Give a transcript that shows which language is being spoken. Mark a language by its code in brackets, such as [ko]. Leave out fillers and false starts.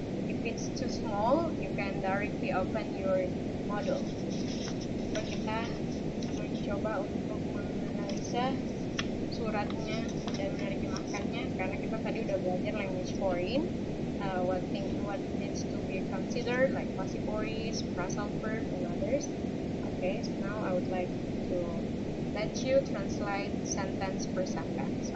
[en] If it's too small, you can directly open your module. [id] So kita mencoba untuk menganalisa suratnya dan menerjemahkannya karena kita tadi udah belajar [en] language foreign. What needs to be considered, like passive voice, present verb, and others. Okay, so now I would like to let you translate sentence per sentence.